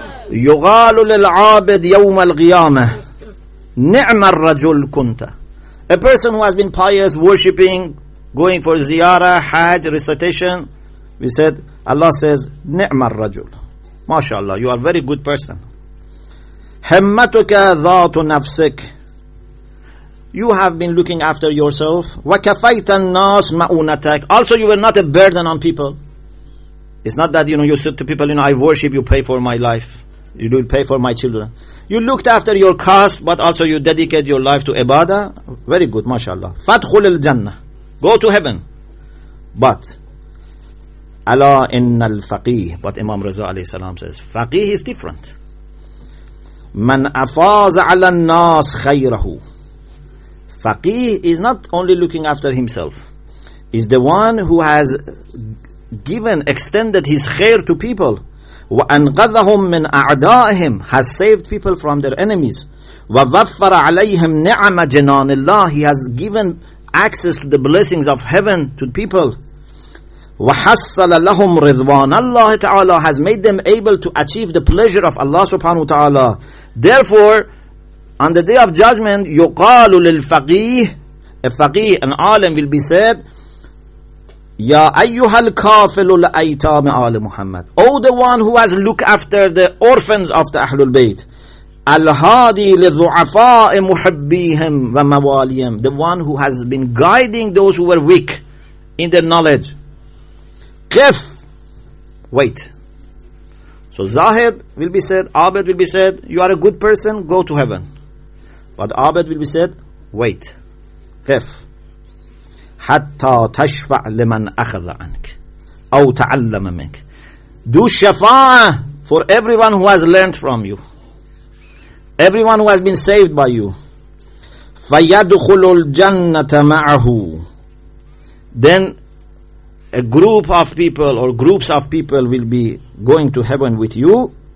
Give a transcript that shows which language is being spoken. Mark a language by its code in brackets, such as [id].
[ar] يقال للعابد يوم القيامة نعم الرجل كنت. [en] A person who has been pious, worshipping, going for ziyara, hajj, recitation, we said, Allah says [ar] نعم الرجل. [en] MashaAllah, you are a very good person. [ar] همتك ذات نفسك. [en] You have been looking after yourself. [ar] وكفيت الناس مؤونتك. [en] Also, you were not a burden on people. It's not that, you know, you said to people, you know, I worship, you pay for my life. You will pay for my children. You looked after your caste, but also you dedicate your life to ibadah. Very good, mashallah. [ar] فَدْخُلِ الْجَنَّةِ. [en] Go to heaven. [ar] But أَلَا إِنَّ الْفَقِيهِ. [en] But Imam Reza alayhi salam says, faqih is different. [ar] مَنْ أَفَازَ عَلَى النَّاسِ خَيْرَهُ. [en] Faqih is not only looking after himself. He's the one who has given, extended his khair to people. [ar] وَأَنْقَذَهُمْ مِنْ أَعْدَائِهِمْ. [en] Has saved people from their enemies. [ar] وَوَفَّرَ عَلَيْهِمْ نِعْمَ جِنَانِ اللَّهِ. [en] He has given access to the blessings of heaven to people. [ar] وَحَصَّلَ لَهُمْ رِضْوَانَ اللَّهِ تَعَالَى. [en] Has made them able to achieve the pleasure of Allah subhanahu wa ta'ala. Therefore, on the day of judgment, [ar] يُقَالُ لِلْفَقِيهِ. [en] A faqih, an alim, will be said, [ar] يا أيها الكافل الأيتام آل محمد. [en] Oh, the one who has looked after the orphans of the Ahlul Bayt. [ar] الهادي لضعفاء محبيهم ومواليهم. [en] The one who has been guiding those who were weak in their knowledge. [ar] قف. [en] Wait. So Zahid will be said, Abed will be said, you are a good person, go to heaven. But Abed will be said, wait. [ar] قف. حتى تشفع لمن أخذ عنك أو تعلم منك. [en] Do shafa for everyone who has learned from you, everyone who has been saved by you. [ar] فيدخل الجنة معه. [en] Then a group of people or groups of people will be going to heaven with you.